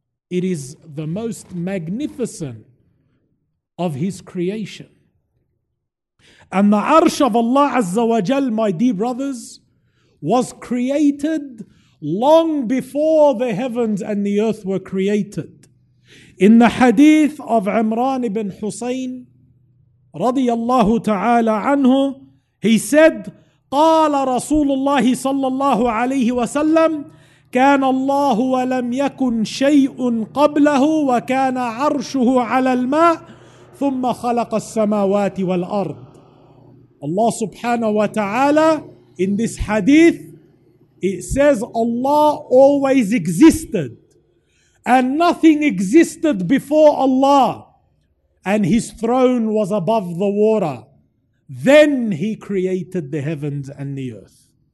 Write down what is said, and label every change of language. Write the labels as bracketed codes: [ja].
[en] It is the most magnificent of His creation. And the arsh of Allah Azza wa Jalla, my dear brothers, was created long before the heavens and the earth were created. In the hadith of Imran ibn Husayn, radiyallahu ta'ala anhu, he said, [ar] قال رسول الله صلى الله عليه وسلم كان الله ولم يكن شيء قبله وكان عرشه على الماء ثم خلق السماوات والأرض. [en] Allah subhanahu wa ta'ala, in this hadith, it says Allah always existed and nothing existed before Allah, and His throne was above the water. Then He created the heavens and the earth.